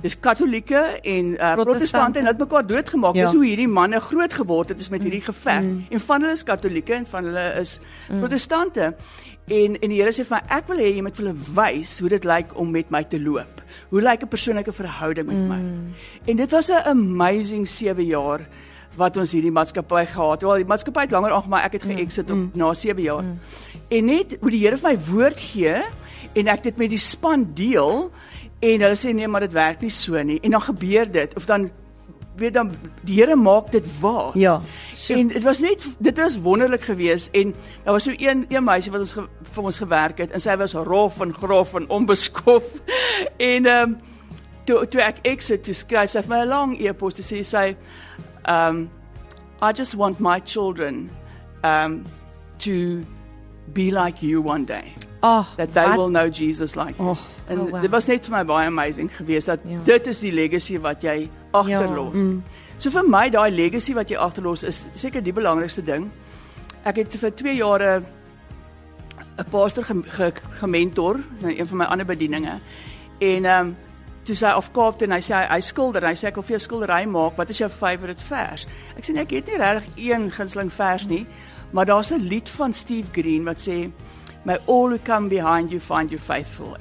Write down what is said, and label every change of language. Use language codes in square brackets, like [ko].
[af] Dis katholieke en protestante, en het mekaar doodgemaak, dis hoe hierdie manne groot geword het, is met hierdie geveg. En van hulle is katholieke, en van hulle is protestante. En die Here sê van, ek wil hê, jy moet vir hulle wys, hoe dit lyk om met my te loop. Hoe lyk 'n persoonlike verhouding met my. En dit was 'n amazing 7 jaar, wat ons hierdie maatskappy gehad. Wel, die maatskappy het langer aangemaak, ek het geëxit op na 7 jaar. En net, hoe die Here vir my woord gee, en ek dit met die span deel, en hulle sê, nee, maar dit werk nie so nie. En dan gebeur dit, of dan, weet dan, die Here maak dit waar. Ja, so. En het was net, dit was wonderlik geweest, en daar was so een meisie wat vir ons gewerk het, en sy was rof en grof en onbeskof. En toe ek exit, toe skryf, sy het my 'n lang e-post, toe sê sy, [en] I just want my children to be like you one day. Oh, that they will know Jesus like you. [af] En dit was net vir my baie amazing geweest, dat dit is die legacy wat jy achterlos. Ja, so vir my, die legacy wat jy achterlos is seker die belangrikste ding. Ek het vir 2 jare een pastor gementor, een van my ander bedieninge, en toe sy afkoopt en hy sê, hy skilder, en hy sê, ek wil vir jou skilderij maak, wat is jou favorite vers? Ek sê, ek het nie regtig een gunsteling vers nie, maar daar is een lied van Steve Green, wat sê, [en] may all who come behind you find you faithful.